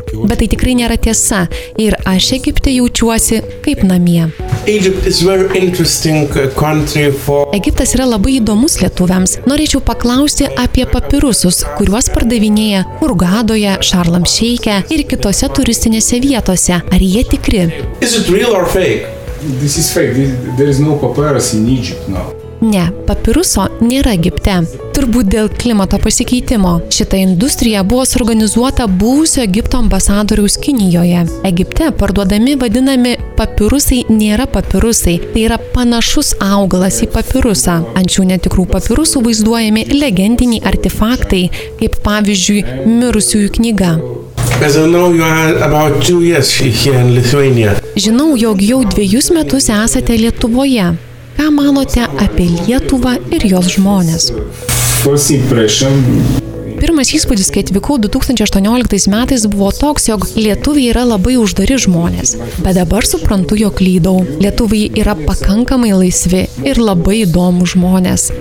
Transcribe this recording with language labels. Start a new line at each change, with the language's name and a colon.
Lithuanian: Bet tai tikrai nėra tiesa ir aš Egipte jaučiuosi kaip namie. Egiptas yra labai įdomus lietuviams. Norėčiau paklausti apie papirusus, kuriuos pardavinėja Hurgadoje, Šarlam Šeike ir kitose turistinėse vietose. Ar jie tikri?
English: Is it real or fake? This is fake. There is no papyrus in Egypt now.
Lithuanian: Ne, papiruso nėra Egipte. Turbūt dėl klimato pasikeitimo. Šita industrija buvo suorganizuota buvusio Egipto ambasadoriaus Kinijoje. Egipte parduodami vadinami papirusai nėra papirusai. Tai yra panašus augalas į papirusą. Ant šių netikrų papirusų vaizduojami legendiniai artefaktai, kaip pavyzdžiui mirusiųjų knyga.
English: As I know you are about 2 years here in Lithuania.
Lithuanian: Žinau, jog jau 2 metus esate Lietuvoje. Ką manote apie Lietuvą ir jos žmonės?
English: First impression.
Lithuanian: Pirmas įspūdis, kai atvykau 2018 metais, buvo toks, jog lietuviai yra labai uždari žmonės. Bet dabar suprantu, jog klydau. Lietuviai yra pakankamai laisvi ir labai įdomų žmonės.